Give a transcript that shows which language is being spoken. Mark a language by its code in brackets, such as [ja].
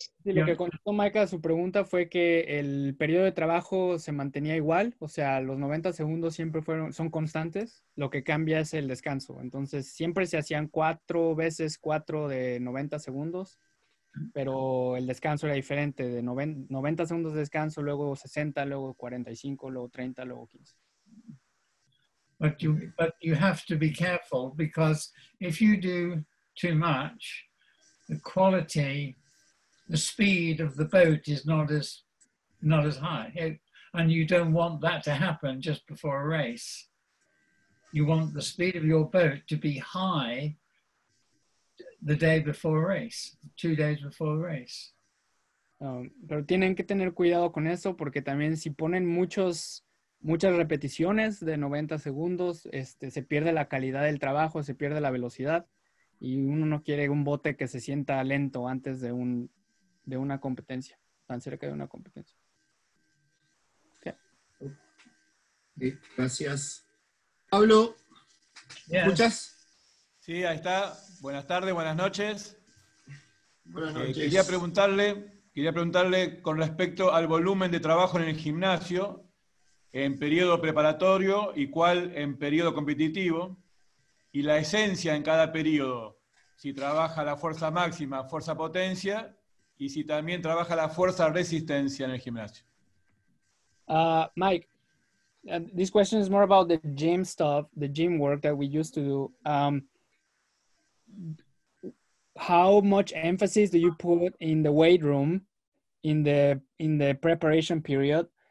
[es] Lo que contestó Maika a su pregunta fue que el periodo de trabajo se mantenía igual, o sea, los 90 segundos siempre son constantes, lo que cambia es el descanso. Entonces, siempre se hacían 4 veces 4 de 90 segundos, pero el descanso era diferente, de 90 segundos de descanso, luego 60, luego 45, luego 30, luego 15. [en] But you have to be careful, because if you do too much, the quality, the speed of the boat is not as high, and you don't want that to happen just before a race. you want the speed of your boat to be high the day before a race, 2 days before a race. [es] Pero tienen que tener cuidado con eso, porque también si ponen muchas repeticiones de 90 segundos, se pierde la calidad del trabajo, se pierde la velocidad, y uno no quiere un bote que se sienta lento antes de una competencia, tan cerca de una competencia. Okay. Gracias. Pablo, ¿me escuchas? Sí, ahí está. Buenas tardes, buenas noches. Buenas noches. Quería preguntarle con respecto al volumen de trabajo en el gimnasio, en periodo preparatorio y cuál en periodo competitivo, y la esencia en cada periodo, si trabaja la fuerza máxima, fuerza potencia, y si también trabaja la fuerza resistencia en el gimnasio. [en] Mike, this question is more about the gym stuff, the gym work that we used to do. How much emphasis do you put in the weight room in the preparation period?